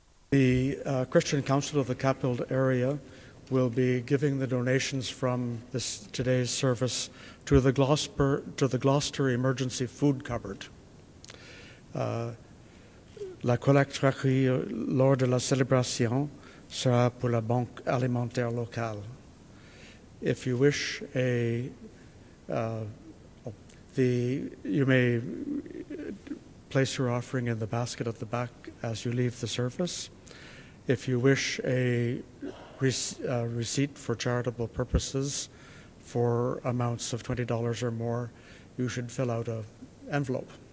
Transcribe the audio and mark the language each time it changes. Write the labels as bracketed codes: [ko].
[en] The Christian Council of the Capital Area will be giving the donations from today's service to the Gloucester Emergency Food Cupboard. [fr] La collecte recueillie lors de la célébration sera pour la Banque Alimentaire Locale. [en] If you wish, you may place your offering in the basket at the back as you leave the service. If you wish a receipt for charitable purposes for amounts of $20 or more, you should fill out an envelope.